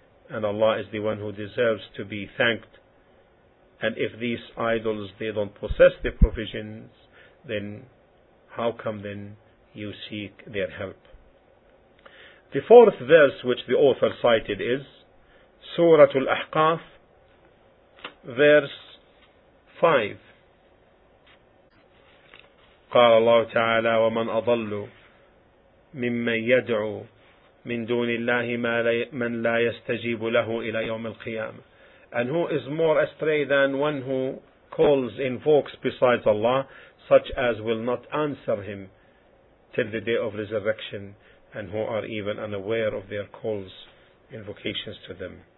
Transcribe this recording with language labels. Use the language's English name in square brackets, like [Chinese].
[English] And Allah is the one who deserves to be thanked. And if these idols, they don't possess the provisions, then how come then you seek their help? The fourth verse which the author cited is Surah Al-Ahqaf, verse 5. [Arabic] قال الله تعالى ومن أضل ممن يدعو من دون الله ما من لا يستجيب له إلى يوم القيامة. [English] And who is more astray than one who calls, invokes besides Allah, such as will not answer him till the day of resurrection, and who are even unaware of their calls, invocations to them.